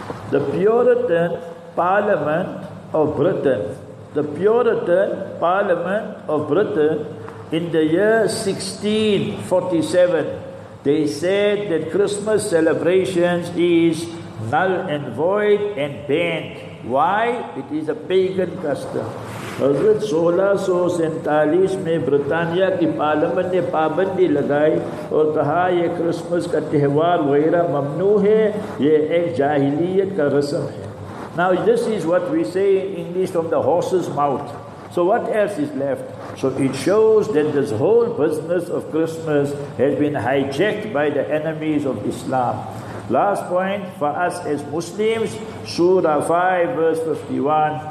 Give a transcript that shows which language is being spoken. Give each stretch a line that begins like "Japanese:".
English: The Puritan Parliament of Britain, the Puritan Parliament of Britain in the year 1647, they said that Christmas celebrations is null and void and banned. Why? It is a pagan custom.
Urdu: حضرت 1647 میں برطانیہ کی parliament نے پابندی لگائی اور کہا یہ کرسمس کا تہوار وغیرہ ممنوع ہے یہ ایک جاہلیت کا رسم ہے.
English: Now this is what we say in English from the horse's mouth. So what else is left? So it shows that this whole business of Christmas has been hijacked by the enemies of Islam. Last point for us as Muslims, Surah 5, verse 51.